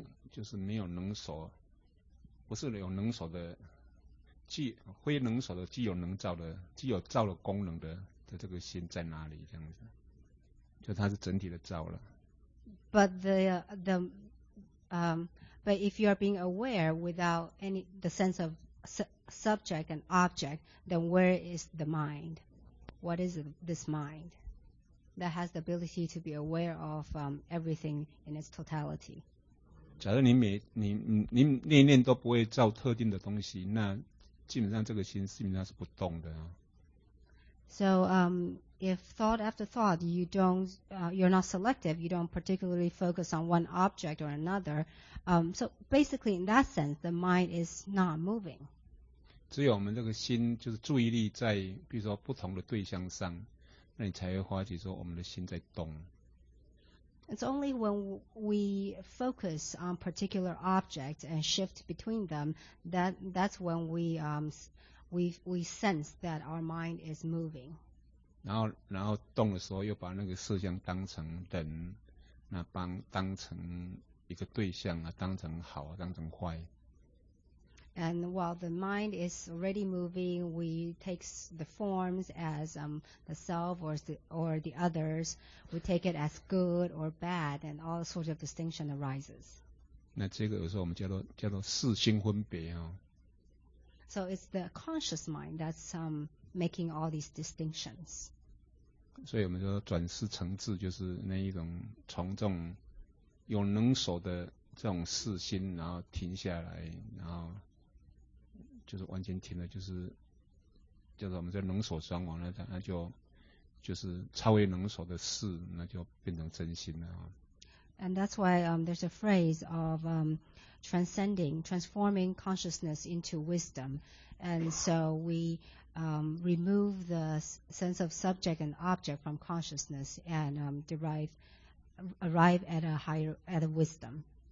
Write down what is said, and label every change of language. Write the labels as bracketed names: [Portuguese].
[Chinese] 就是没有能所，不是有能所的，既非能所的，既有能照的，既有照的功能的这个心在哪里？这样子，就它是整体的照了。 [English] But but if you are being aware without any the sense of subject and object, then where is the mind? What is this mind? That has the ability to be aware of everything in its totality. [Chinese] 假如你念念都不会照特定的东西，那基本上这个心基本上是不动的啊。 [English] So, if thought after thought, you're not selective, you don't particularly focus on one object or another. So basically, in that sense, the mind is not moving. [Chinese] 只有我们这个心就是注意力在，比如说不同的对象上。那你才会发觉说我们的心在动。 [English] It's only when we focus on particular objects and shift between them that's when we sense that our mind is moving. [Chinese] 然后动的时候又把那个事项当成人，那当成一个对象啊，当成好啊，当成坏。 [English] And while the mind is already moving, we take the forms as the self or the others. We take it as good or bad, and all sorts of distinction arises. [Chinese] 那这个有时候我们叫做四心分别啊。 [English] So it's the conscious mind that's making all these distinctions. [Chinese] 所以我们说转世成智，就是那一种从这种有能所的这种四心，然后停下来，然后。就是完全停了，就是叫做我们在能所双亡了，那就是超越能所的事，那就变成真心了。 [English] And that's why there's a phrase of transcending, transforming consciousness into wisdom. And so we remove the sense of subject and object from consciousness and arrive at a higher, at a wisdom.